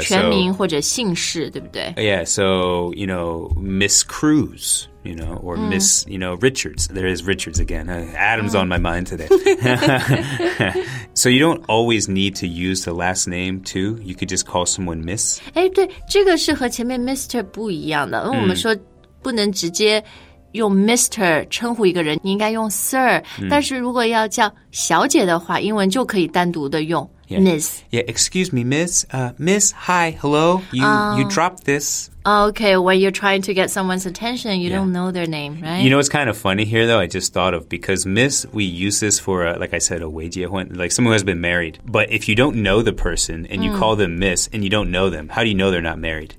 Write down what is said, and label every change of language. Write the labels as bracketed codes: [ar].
[zh] 全名或者姓氏对不对 [en] Yeah, so, you know, Miss Cruz, you know Or、Miss, you know, Richards There is Richards again Adam's、on my mind today So you don't always need to use the last name too You could just call someone Miss [zh] 哎，对，这个是和前面 Mr. 不一样的、我们说不能直接用 Mr. 称呼一个人你应该用 Sir、但是如果要叫小姐的话英文就可以单独的用 Miss [en] Yeah, excuse me, Miss Miss, hi, hello You,、you dropped this Okay, when you're trying to get someone's attention You、don't know their name, right? You know, it's kind of funny here though I just thought of Because Miss, we use this for a, Like I said, a 未结婚 Like someone who has been married But if you don't know the person And you、call them Miss And you don't know them How do you know they're not married?